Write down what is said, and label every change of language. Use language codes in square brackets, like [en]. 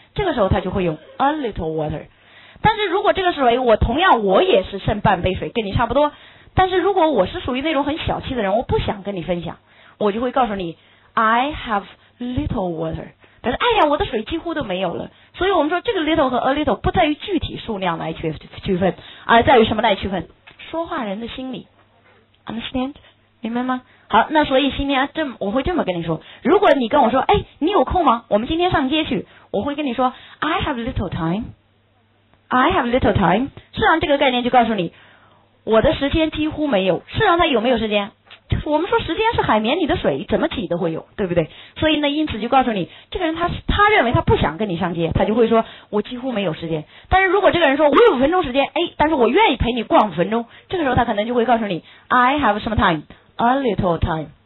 [zh] 这个时候他就会用 [en] a little water。 [zh] 但是如果这个水我同样我也是剩半杯水跟你差不多，但是如果我是属于那种很小气的人，我不想跟你分享，我就会告诉你 [en] I have little water, [zh] 但是哎呀我的水几乎都没有了。所以我们说这个 little 和 a little 不在于具体数量来区分，而在于什么来区分？说话人的心理。 [en] Understand? [zh] 明白吗？好，那所以今天这我会这么跟你说，如果你跟我说，哎，你有空吗？我们今天上街去。我会跟你说 [en] I have little time, [zh] I have little time。实际上这个概念就告诉你我的时间几乎没有。实际上它有没有时间，就是我们说时间是海绵里的水，怎么挤都会有，对不对？所以呢，因此就告诉你这个人他认为他不想跟你上街，他就会说我几乎没有时间。但是如果这个人说我有五分钟时间，哎，但是我愿意陪你逛五分钟，这个时候他可能就会告诉你 [en] I have some time, A little time.